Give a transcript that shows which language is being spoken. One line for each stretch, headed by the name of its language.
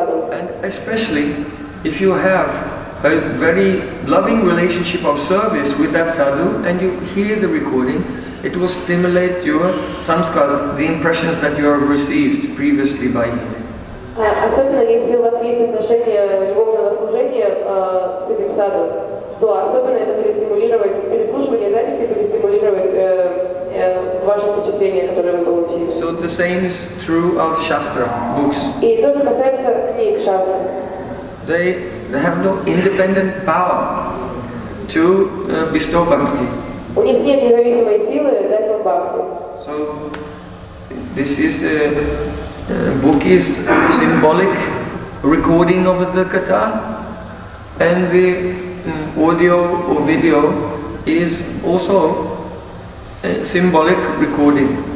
English: And especially if you have a very loving relationship of service with that sadhu and you hear the recording, it will stimulate your samskaras, the impressions that you have received previously by him.
Russian: Особенно если у вас есть отношение любовного служения с этим саду, то особенно это будет стимулировать переслушивание записи, будет стимулировать ваше впечатление, которое вы получили.
English: So the same is true of shastra books.
Russian: И то же касается книг шастры.
English: They have no independent power to bestow bhakti.
Russian: У них нет независимой силы дать вам бхакти.
English: So this is book is symbolic recording of the katha, and the audio or video is also a symbolic recording.